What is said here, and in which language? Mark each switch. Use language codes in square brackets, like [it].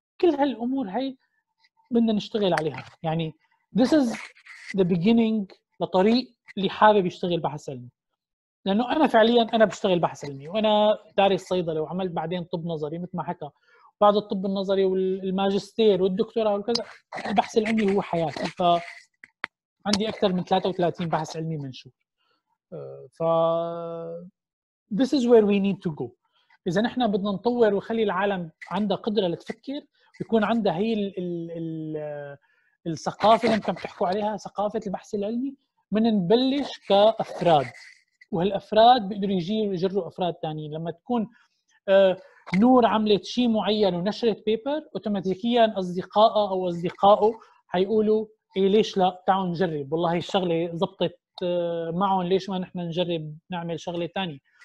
[ar] كل هالأمور هاي بدنا نشتغل عليها. يعني [en] this is the beginning [ar] لطريق اللي حابب يشتغل بحث علمي، لانه انا فعليا انا بشتغل بحث علمي وانا دارس صيدله وعملت بعدين طب نظري مثل ما حكى، بعد الطب النظري والماجستير والدكتوراه وكذا البحث العلمي هو حياتي. ف عندي اكثر من 33 بحث علمي منشور. [en] ف this is where we need to go. [ar] اذا احنا بدنا نطور وخلي العالم عنده قدره لتفكر ويكون عنده هي الـ الـ الـ الـ الثقافه اللي انتم بتحكوا عليها، ثقافه البحث العلمي، من نبلش كافراد، وهالأفراد بيقدروا يجروا أفراد تانيين. لما تكون نور عملت شيء معين ونشرت بيبر، أوتوماتيكياً أصدقائها أو أصدقائه هيقولوا إيه ليش لا، تعالوا نجرب، والله هي الشغلة زبطت معهم، ليش ما نحن نجرب نعمل شغلة تانية.